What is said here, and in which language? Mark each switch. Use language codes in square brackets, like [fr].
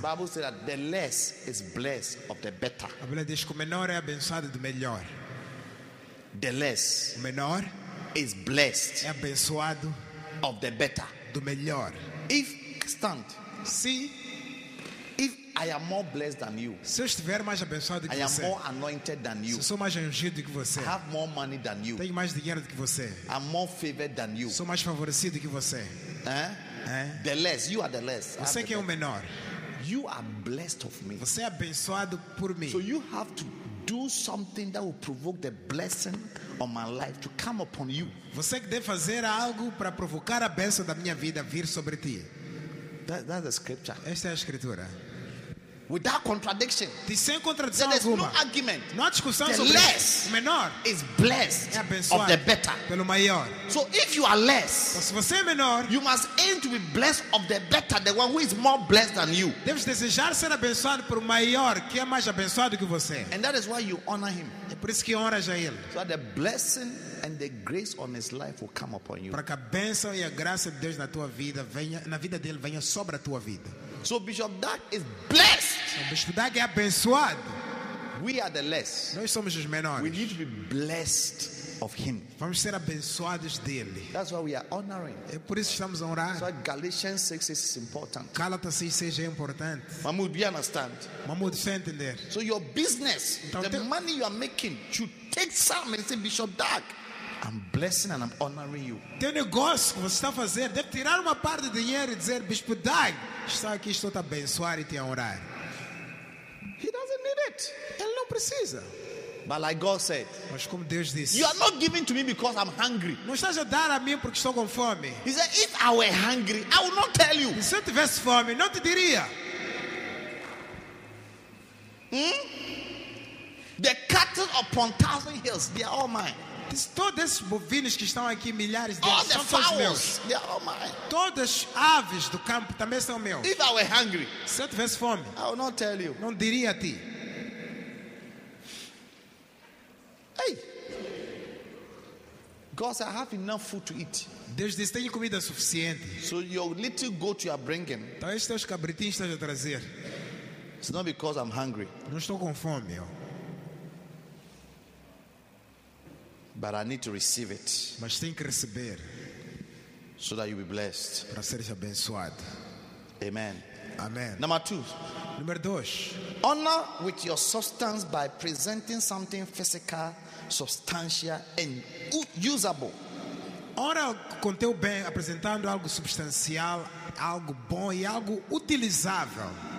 [en] The Bible says that the less is blessed of the better. [pt] A Bíblia diz que o menor é abençoado do melhor. [en] The less, [pt] o menor, [en] is blessed. [pt] É abençoado [en] of the better. [pt] Do melhor. [en] If stand, see, if I am more blessed than you. [pt] Se eu estiver mais abençoado que [en] I [pt] você. [en] I am more anointed than you. [pt] Se sou mais ungido que você. [en] I have more money than you. [pt] Tenho mais dinheiro do que você. [en] I'm more favored than you. [pt] Sou mais favorecido que você. [en] Eh? The less, you are the less. [pt] Você que é o menor. [en] You are blessed of me. [pt] Você é abençoado por mim. [en] So you have to do something that will provoke the blessing on my life to come upon you. [pt] Você que deve fazer algo para provocar a bênção da minha vida vir sobre ti. [en] That's the scripture. [pt] Esta é a escritura. [en] Without contradiction. [pt] Sem contradição. [en] There is [pt] alguma. [en] No argument. [pt] Não há discussão [en] the [pt] sobre [en] less [pt] menor [en] is blessed [pt] é [en] of the better. [pt] Pelo maior. [en] So if you are less, [pt] então, se você é menor, [en] you must aim to be blessed of the better, the one who is more blessed than you. [pt] Deves desejar ser abençoado por maior, que é mais abençoado que você. [en] And that is why you honor him. [pt] É por isso que honras a ele. [en] So the blessing and the grace on his life will come upon you. [pt] Para que a bênção e a graça de Deus na tua vida venha, na vida dele venha sobre a tua vida. [en] So Bishop Dag is blessed. [pt] O Bishop Dag é abençoado. [en] We are the less. [pt] Nós somos os menores. [en] We need to be blessed of him. [pt] Vamos ser abençoados dele. [en] That's why we are honoring. [pt] É por isso que estamos a honrar. [en] So Galatians 6 is important. [pt] Galatas 6 é importante. Vamos bem understand. Vamos entender. [en] So your business, então, the money you are making, should take some and say, Bishop Dag, I'm blessing and I'm honoring you. [pt] Teu negócio que você está a fazer, deve tirar uma parte do dinheiro e dizer, Bispo Dag, está aqui, estou a abençoar e te a honrar. [en] He doesn't need it. [pt] Ele não precisa. [en] But like God said, [pt] mas como Deus disse, [en] you are not giving to me because I'm hungry. [pt] Não estás a dar a mim porque estou com fome. [en] He said, if I were hungry, I would not tell you. [pt] E se eu tivesse fome, não te diria. [en] The cattle upon thousand hills, they are all mine. [pt] Todos esses bovinos que estão aqui, milhares deles, [en] all [pt] são todos meus. [en] They are all mine. [pt] Todas as aves do campo também são meus. [en] If I were hungry, [pt] se eu tivesse fome, [en] I would not tell you. [pt] Não diria a ti. [en] Hey. God said, I have enough food to eat. [pt] Deus disse, tenho comida suficiente. [en] So your little goat you are bringing, [pt] então esses teus cabritinhos estás a trazer. [en] It's not because I'm hungry. [pt] Não estou com fome, meu. [en] But I need to receive it. [pt] Mas tem que receber. [en] So that you be blessed. [pt] Para seres abençoado. [en] Amen. [pt] Amen. [en] Number two. [pt] Número dois. [en] Honor with your substance by presenting something physical, substantial and usable. [pt] Honra com teu bem apresentando algo substancial, algo bom e algo utilizável.